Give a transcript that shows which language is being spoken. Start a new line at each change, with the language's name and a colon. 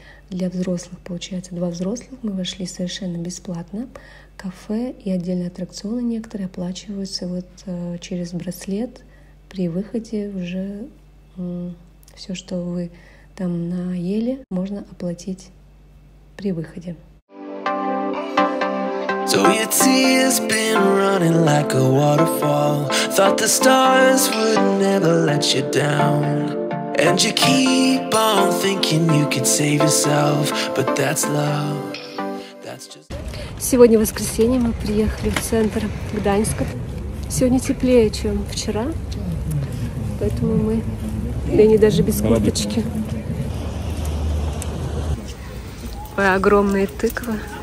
Russian: Для взрослых, получается, два взрослых. Мы вошли совершенно бесплатно. Кафе и отдельные аттракционы некоторые оплачиваются вот через браслет при выходе уже... Все, что вы там наели, можно оплатить при выходе.
English: So your tears been running like a waterfall. Thought the stars would never let you down. And you keep on thinking you could save yourself, but that's love. That's just...
Russian: Сегодня воскресенье, мы приехали в центр Гданьска. Сегодня теплее, чем вчера. Поэтому мы. Дэнни даже без курточки. Ой, огромные тыквы.